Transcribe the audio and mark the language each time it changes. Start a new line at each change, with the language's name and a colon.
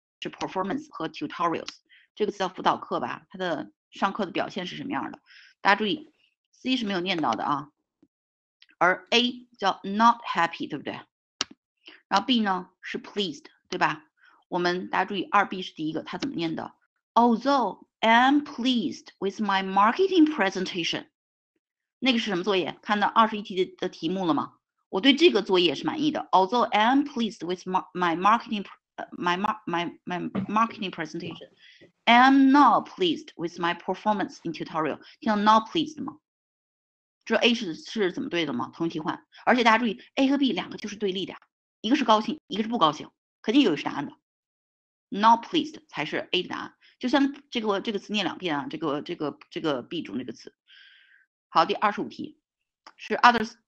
Chinese: 是 performance 和 tutorials， 这个词叫辅导课吧？它的上课的表现是什么样的？大家注意 ，C 是没有念到的啊，而 A 叫
English: not happy，
Chinese: 对不对？然后 B 呢是 pleased， 对吧？我们大家注意， 2B 是第一个，它怎么念的 ？
English: Although I'm pleased with my marketing presentation，
Chinese: 那个是什么作业？看到21题的题目了吗？我对这个作业是满意的 ，
English: although I'm pleased with my marketing。 My marketing presentation. I'm not pleased with my performance in tutorial.
Chinese: 听到
English: not pleased
Chinese: 吗？这 A 是怎么对的吗？同义替换。而且大家注意 ，A 和 B 两个就是对立的，一个是高兴，一个是不高兴，肯定有一个是答案的。
English: Not pleased
Chinese: 才是 A 的答案。就像这个词念两遍啊，这个 B 中这个词。好，第25题是 others。